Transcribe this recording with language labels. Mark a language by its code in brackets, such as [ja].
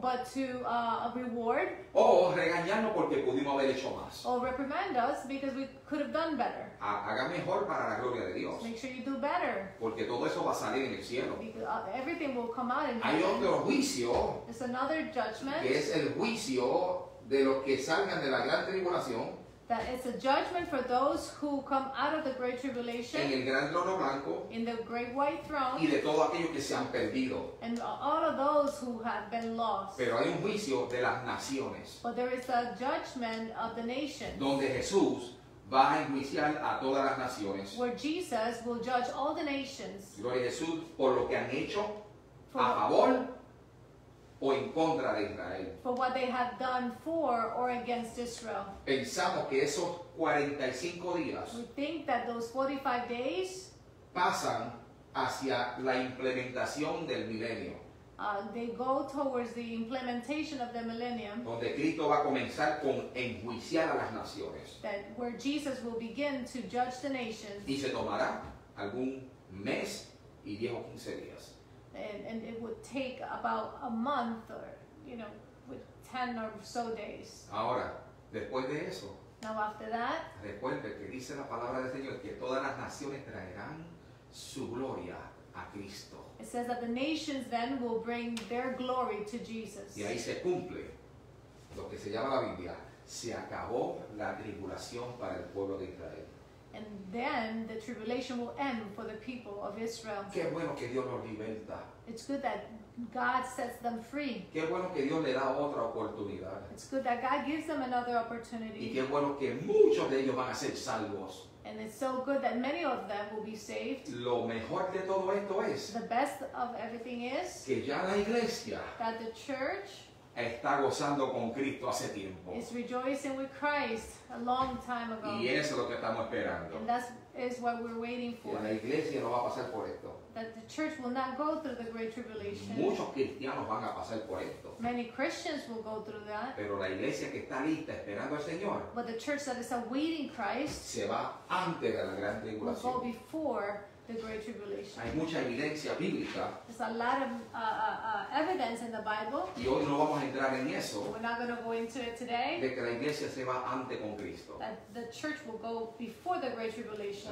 [en] but to reward, [es] o regañarnos porque pudimos haber hecho más, [en] or reprimand us because we could have done better. [es] Haga mejor para la gloria de Dios. [en] Make sure you do better, [es] porque todo eso va a salir en el cielo. [en] Because everything will come out in heaven. [es] Hay otro juicio, [en] it's another judgment, [es] que es el juicio de los que salgan de la gran tribulación. [en] That it's a judgment for those who come out of the great tribulation. [es] En el gran trono blanco. [en] In the great white throne. [es] Y de todo aquello que se han perdido. [en] And all of those who have been lost. [es] Pero hay un juicio de las naciones. [en] But there is a judgment of the nations. [es] Donde Jesús va a enjuiciar a todas las naciones. [en] Where Jesus will judge all the nations. [es] Gloria a Jesús por lo que han hecho a favor o en contra de Israel. [en] For what they have done for or against Israel. [es] Pensamos que esos 45 días. [en] We think that those 45 days. [es] Pasan hacia la implementación del milenio. [en] They go towards the implementation of the millennium. [es] Donde Cristo va a comenzar con enjuiciar a las naciones. [en] That where Jesus will begin to judge the nations. [es] Y se tomará algún mes y 10 o 15 días. [en] And it would take about a month or, you know, with 10 or so days. [es] Ahora, después de eso. [en] Now after that. [es] Recuerde que dice la palabra del Señor que todas las naciones traerán su gloria a Cristo. [en] It says that the nations then will bring their glory to Jesus. [es] Y ahí se cumple lo que se llama la Biblia. Se acabó la tribulación para el pueblo de Israel. [en] And then the tribulation will end for the people of Israel. [es] Qué bueno que Dios los liberta. [en] It's good that God sets them free. [es] Qué bueno que Dios le da otra oportunidad. [en] It's good that God gives them another opportunity. [es] Y qué bueno que muchos de ellos van a ser salvos. [en] And it's so good that many of them will be saved. [es] Lo mejor de todo esto es. [en] The best of everything is. [es] Que ya la iglesia. [en] That the church. [es] Está gozando con Cristo hace tiempo. [en] Is rejoicing with Christ a long time ago. [es] Y eso es lo que estamos esperando. [en] And that is what we're waiting for. [es] Y la iglesia no va a pasar por esto. [en] That the church will not go through the great tribulation. [es] Muchos cristianos van a pasar por esto. [en] Many Christians will go through that. [es] Pero la iglesia que está lista esperando al Señor. [en] But the church that is awaiting Christ. [es] Se va antes de la gran tribulación. [en] Will go before the great tribulation. [es] Hay mucha evidencia bíblica. [en] There's a lot of evidence in the Bible. [es] Y hoy no vamos a entrar en eso. [en] We're not going to go into it today. [es] De que la iglesia se va antes con Cristo. [en] That the church will go before the great tribulation.